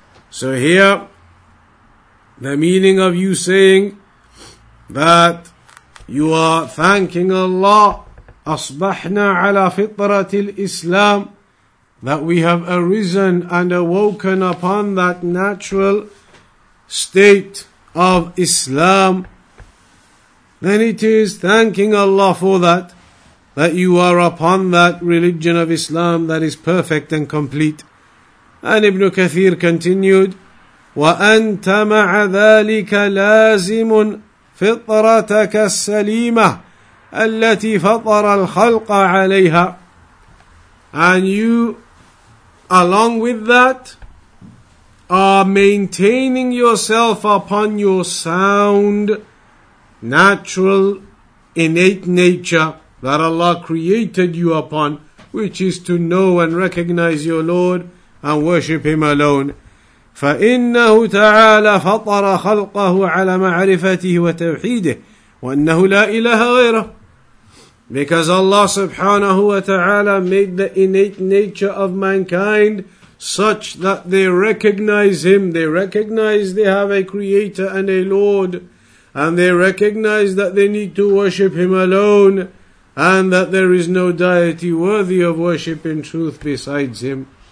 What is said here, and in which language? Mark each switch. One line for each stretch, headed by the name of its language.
English: So here, the meaning of you saying that you are thanking Allah,
Arabic: أصبحنا على فطرة الإسلام,
English: that we have arisen and awoken upon that natural state of Islam. Then it is thanking Allah for that, that you are upon that religion of Islam that is perfect and complete. And Ibn Kathir continued,
Arabic: وأنت مع ذلك لازم فطرتك السليمة التي فطر الخلق عليها.
English: And you, along with that, are maintaining yourself upon your sound, natural, innate nature that Allah created you upon, which is to know and recognize your Lord and worship Him alone.
Arabic: فإنه تعالى فطر خلقه على معرفته وتوحيده وأنه لا إله غيره.
English: Because Allah subhanahu wa ta'ala made the innate nature of mankind such that they recognize Him, they recognize they have a Creator and a Lord, and they recognize that they need to worship Him alone, and that there is no deity worthy of worship in truth besides Him.